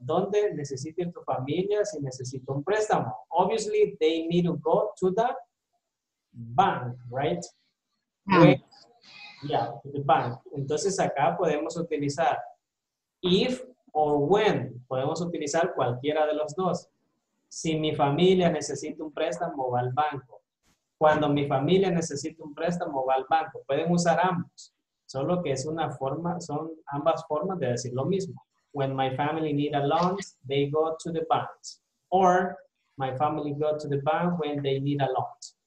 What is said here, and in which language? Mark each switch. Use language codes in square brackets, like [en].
[es] ¿Dónde necesita tu familia si necesita un préstamo? [en] Obviously, they need to go to the bank, right? Bank. Yeah, the bank. [es] Entonces acá podemos utilizar [en] if or when. [es] Podemos utilizar cualquiera de los dos. Si mi familia necesita un préstamo, va al banco. Cuando mi familia necesita un préstamo, va al banco. Pueden usar ambos. Solo que es una forma, son ambas formas de decir lo mismo. [en] When my family need a loan, they go to the bank. Or my family go to the bank when they need a loan.